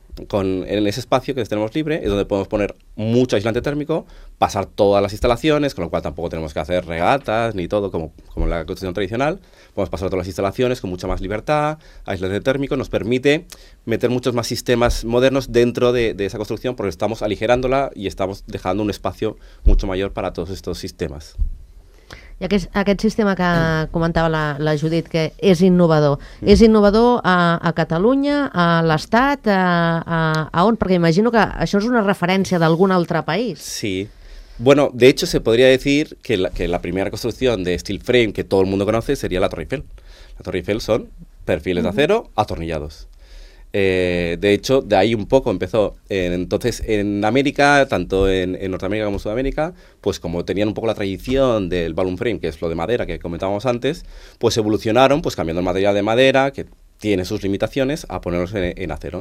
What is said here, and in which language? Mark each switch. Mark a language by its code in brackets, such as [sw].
[es] con en ese espacio que tenemos libre, es donde podemos poner mucho aislante térmico, pasar todas las instalaciones, con lo cual tampoco tenemos que hacer regatas ni todo como en la construcción tradicional. Podemos pasar todas las instalaciones con mucha más libertad, aislante térmico, nos permite meter muchos más sistemas modernos dentro de esa construcción, porque estamos aligerándola y estamos dejando un espacio mucho mayor para todos estos sistemas. [ca] I aquest sistema que comentava la Judit, que és innovador, és innovador a Catalunya, a l'Estat, a on? Perquè imagino que això és una referència d'algun altre país. [es] Sí. Bueno, de hecho, se podría decir que la primera construcción de steel frame que todo el mundo conoce sería la Torre Eiffel. La Torre Eiffel son perfiles de acero atornillados. De hecho, de ahí un poco empezó. Entonces, en América, tanto en Norteamérica como en Sudamérica, pues como tenían un poco la tradición del balloon frame, que es lo de madera que comentábamos antes, pues evolucionaron, pues cambiando el material de madera, que tiene sus limitaciones, a ponerlos en acero.